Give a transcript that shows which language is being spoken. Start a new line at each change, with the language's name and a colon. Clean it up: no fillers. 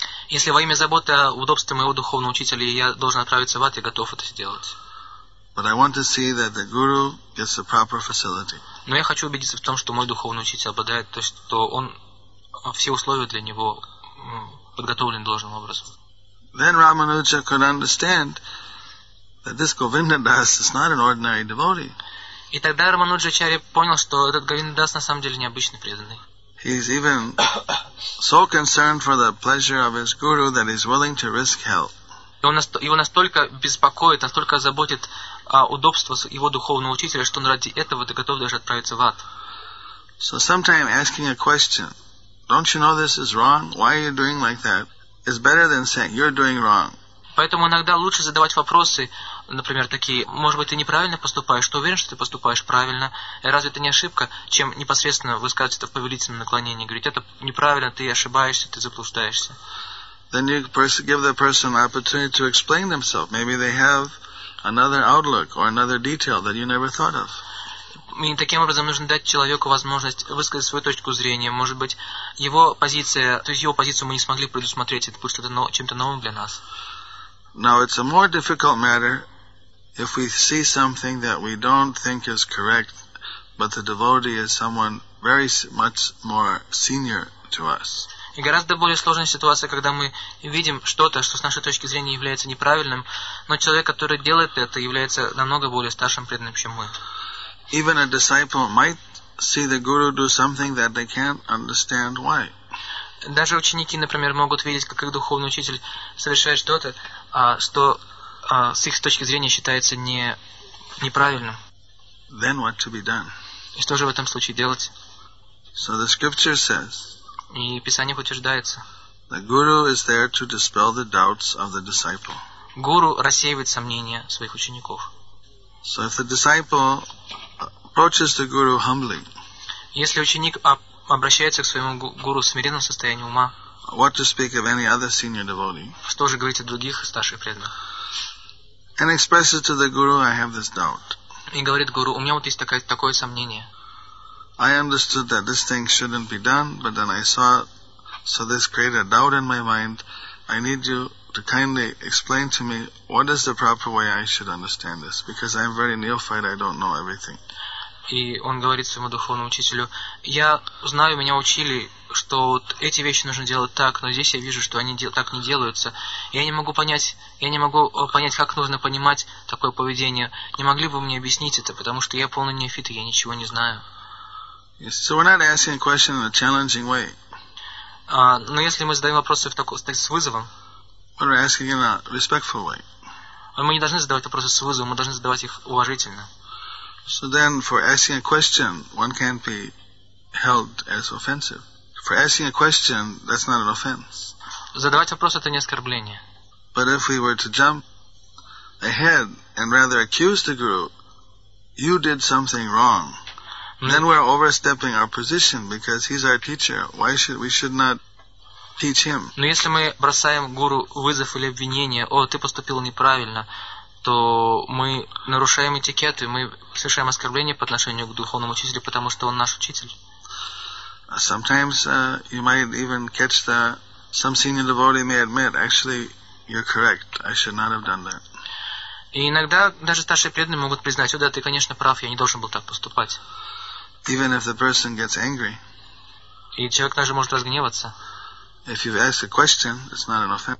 Russian: Если во имя заботы о удобстве моего духовного учителя я должен отправиться в ад, я готов это сделать.
English: But I want to see that the guru gets the proper facility.
Russian: Но я хочу убедиться в том, что мой духовный учитель обладает, то что он все условия для него подготовлены должным образом.
English: Then Ramanuja could understand that this Govindadas is not an ordinary devotee.
Russian: И тогда Рамануджа Чари понял, что этот Говиндадас на самом деле необычный преданный.
English: He's even so concerned for the pleasure of his guru that he's willing to risk hell.
Russian: Его настолько беспокоит, настолько заботит о удобстве его духовного учителя, что он ради этого готов даже отправиться в ад.
English: So sometimes asking a question, don't you know this is wrong? Why are you doing like that? Is better than saying you're doing wrong.
Russian: Поэтому иногда лучше задавать вопросы, например, такие: может быть, ты неправильно поступаешь? Ты уверен, что ты поступаешь правильно? Разве это не ошибка? Чем непосредственно высказывать это в повелительном наклонении, говорить: это неправильно, ты ошибаешься, ты заблуждаешься.
English: Then you give the person an opportunity to explain themselves. Maybe they have another outlook or another detail that you never thought of.
Russian: И таким образом нужно дать человеку возможность высказать свою точку зрения. Может быть, его позиция, то есть его позицию мы не смогли предусмотреть, это будет что-то чем-то новым для нас.
English: Now it's a more difficult matter if we see something that we don't think is correct, but the devotee is someone very much more senior to us.
Russian: И гораздо более сложная ситуация, когда мы видим что-то, что с нашей точки зрения является неправильным, но человек, который делает это, является намного более старшим преданным, чем мы.
English: Even a disciple might see the guru do something that they can't understand why.
Russian: Даже ученики, например, могут видеть, как их духовный учитель совершает что-то, что с их точки зрения считается неправильным.
English: Then what to be done?
Russian: И что же в этом случае делать?
English: So the scripture says.
Russian: И Писание утверждается.
English: The guru is there to dispel the doubts of the disciple.
Russian: Гуру рассеивает сомнения своих учеников.
English: So if the disciple approaches the guru humbly,
Russian: если ученик обращается к своему гуру в смиренном состоянии ума,
English: what to speak of any other senior devotee?
Russian: Что же говорить о других старших преданных?
English: And expresses to the guru, I have this doubt.
Russian: И говорит гуру, у меня вот есть такое сомнение.
English: I understood that this thing shouldn't be done, but then I saw, so this created a doubt in my mind. I need you to kindly explain to me what is the proper way I should understand this, because I'm very neophyte, I don't know everything.
Russian: И он говорит своему духовному учителю, я знаю, меня учили, что вот эти вещи нужно делать так, но здесь я вижу, что они так не делаются. Я не могу понять, как нужно понимать такое поведение. Не могли бы вы мне объяснить это, потому что я полный неофит, и я ничего не знаю.
English: So we're not asking a question in a challenging way.
Russian: Но если мы задаем вопросы с вызовом,
English: we're asking in a respectful way.
Russian: Мы не должны задавать вопросы с вызовом, мы должны задавать их уважительно.
English: So then, for asking a question, one can't be held as offensive. For asking a question, that's not an offense.
Russian: Задавать вопрос – это не оскорбление.
English: But if we were to jump ahead and rather accuse the guru, you did something wrong, then we're overstepping our position because he's our teacher. We should not teach him.
Russian: Но если мы бросаем гуру вызов или обвинение, «О, ты поступил неправильно», то мы нарушаем этикет, и мы совершаем оскорбление по отношению к духовному учителю, потому что он наш учитель.
English: Sometimes you might even catch the some senior devotee may admit, actually, you're correct. I should not have done that.
Russian: И иногда даже старшие преданные могут признать, что да, ты, конечно, прав, я не должен был так поступать.
English: Even if the person gets angry.
Russian: И человек даже может разгневаться.
English: If you ask a question, it's not an offense.